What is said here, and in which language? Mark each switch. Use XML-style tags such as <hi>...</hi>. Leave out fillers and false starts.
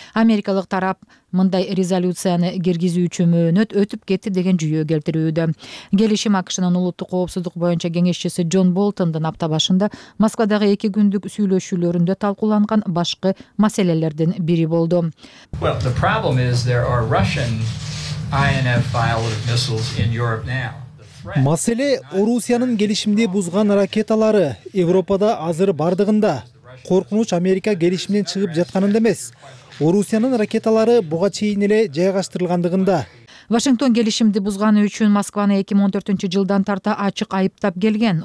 <ky>Америкалык тарап мындай резолюцияны киргизүү үчүн мөөнөт өтүп кетти деген жүйө келтирүүдө. Келишим АКШнын улуттук коопсуздук боюнча кеңешчиси Джон Болтондун апта башында Москвадагы 2 күндүк сүйлөшүүлөрүндө талкууланган башкы маселелердин бири болду.</ky> <en>Well, the problem is there are Russian INF ballistic missiles in Europe now.</en> <ky>Маселе Орусиянын келишимди бузган ракеталары Европада азыр бардыгында. Коркунуч Америка келишимден чыгып жатканында эмес. Орусиянын ракеталары буга чейин эле жайгаштырылгандыгында. Вашингтон келишимди бузганы үчүн Москваны 2014-жылдан тарта ачык айыптап келген.</ky>